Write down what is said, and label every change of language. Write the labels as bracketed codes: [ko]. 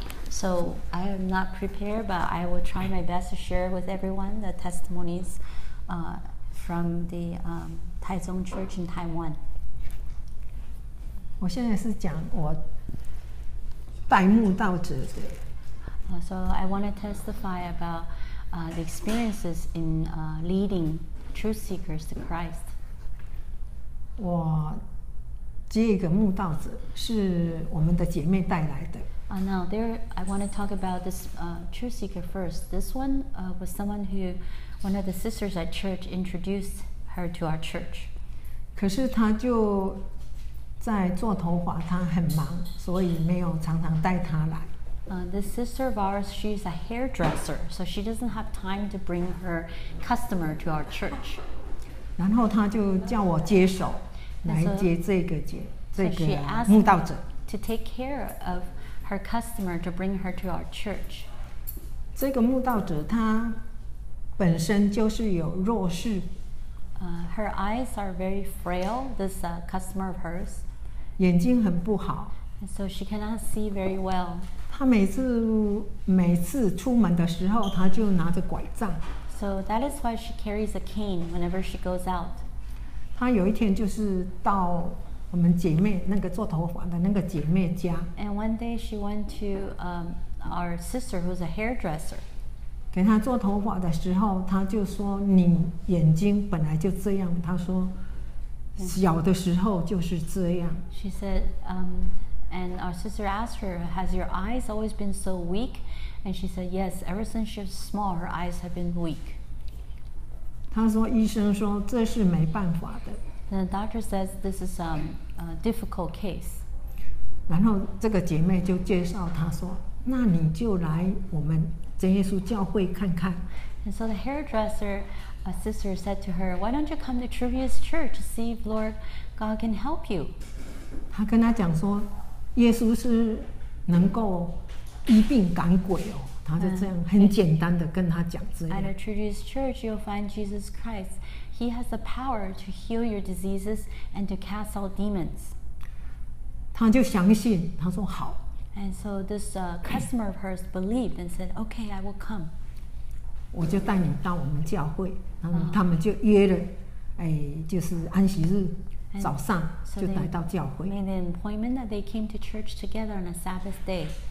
[en] So I am not prepared, but I will try my best to share with everyone the testimonies from the Taizong Church in Taiwan. [zh] 我现在是讲我拜慕道者的。 [en] So I want to testify about the experiences in leading truth seekers to Christ. [zh] 我接一个慕道者是我们的姐妹带来的。 [en] Now there, I want to talk about this truth seeker first. This one was someone who, one of the sisters at church introduced her to our church. [zh] 可是她就在做头发，她很忙，所以没有常常带她来。 [en] This sister of ours, she's a hairdresser, so she doesn't have time to bring her customer to our church. [zh] 然后她就叫我接手。来接这个姐，这个慕道者。 [en] To take care of her customer to bring her to our church. [zh] 这个慕道者她本身就是有弱视。 [en] Her eyes are very frail. This customer of hers. [zh] 眼睛很不好。 [en] So she cannot see very well. [zh] 她每次出门的时候，她就拿着拐杖。 [en] So that is why she carries a cane whenever she goes out. [zh] 她有一天就是到我们姐妹那个做头发的那个姐妹家。 [en] And one day she went to our sister who's a hairdresser. [zh] 给她做头发的时候，她就说：“你眼睛本来就这样。” 她说：“小的时候就是这样。” [en] She said, and our sister asked her, "Has your eyes always been so weak?" And she said, "Yes, ever since she was small, her eyes have been weak." [zh] 他说：“医生说这是没办法的。” [en] The doctor says this is a difficult case. [zh] 然后这个姐妹就介绍他说：“那你就来我们真耶稣教会看看。” [en] And so the hairdresser, a sister, said to her, "Why don't you come to Truvius Church to see if Lord God can help you?" [zh] 他跟她讲说：“耶稣是能够医病赶鬼哦。” 他就这样很简单的跟他讲这样。 [en] At a Truvius Church, you'll find Jesus Christ. He has the power to heal your diseases and to cast out demons. [zh] 他就相信，他说好。 [en] And so this customer of hers believed and said, "Okay, I will come." [zh] 我就带你到我们教会，然后他们就约了，就是安息日早上就来到教会。 [en] Made an appointment that they came to church together on a Sabbath day.